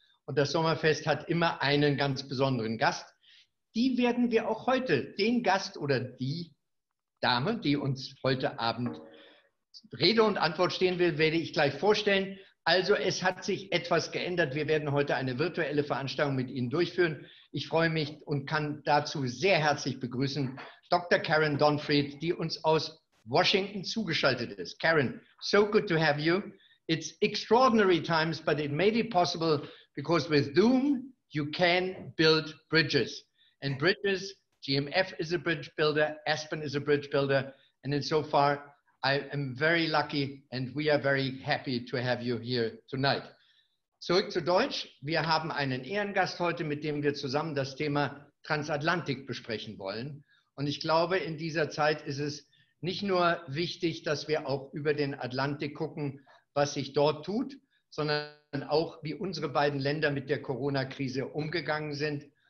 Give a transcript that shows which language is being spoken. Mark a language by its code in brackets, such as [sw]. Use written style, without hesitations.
[de] Und das Sommerfest hat immer einen ganz besonderen Gast. Die werden wir auch heute, den Gast oder die Dame, die uns heute Abend Rede und Antwort stehen will, werde ich gleich vorstellen. Also es hat sich etwas geändert. Wir werden heute eine virtuelle Veranstaltung mit Ihnen durchführen. Ich freue mich und kann dazu sehr herzlich begrüßen Dr. Karen Donfried, die uns aus Washington zugeschaltet ist. [en] Karen, so good to have you. It's extraordinary times, but it made it possible because with Zoom you can build bridges. And bridges, GMF is a bridge builder, Espen is a bridge builder, and in so far I am very lucky and we are very happy to have you here tonight. [de] Zurück zu Deutsch. Wir haben einen Ehrengast heute, mit dem wir zusammen das Thema Transatlantik besprechen wollen. Und ich glaube, in dieser Zeit ist es nicht nur wichtig, dass wir auch über den Atlantik gucken, was sich dort tut, sondern auch, wie unsere beiden Länder mit der Corona-Krise umgegangen sind.